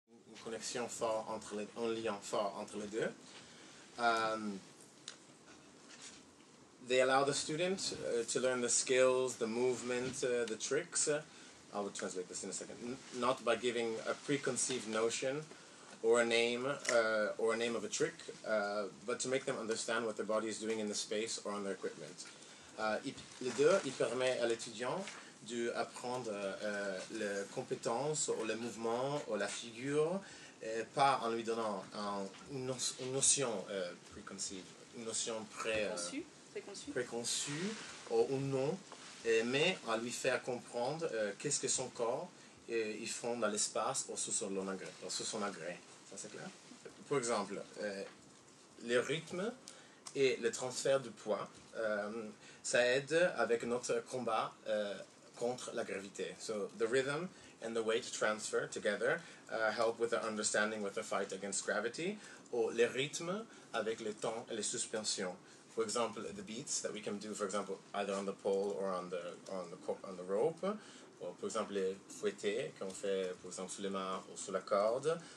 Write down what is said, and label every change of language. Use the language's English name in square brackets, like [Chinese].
[French] Une connexion fort entre les, un lien fort entre les deux. [English] They allow the student to learn the skills, the movement, the tricks. I will translate this in a second. Not by giving a preconceived notion or a name of a trick, but to make them understand what their body is doing in the space or on their equipment. [French] Les deux, il permet à l'étudiant d'apprendre les compétences ou les mouvements ou la figure pas en lui donnant une notion préconçue, une notion préconçue ou non, mais à lui faire comprendre qu'est-ce que son corps ils font dans l'espace ou sous son agré. Ça, c'est clair? Pour exemple, le rythme et le transfert du poids, ça aide avec notre combat contre la gravité. [English] So, the rhythm and the weight transfer together help with the understanding with the fight against gravity. [French] Ou le rythme avec le temps et les suspensions. [English] For example, the beats that we can do, for example, either on the pole or on the rope. [French] Ou, par exemple, les fouettés qu'on fait, par exemple, sous les mains ou sous la corde.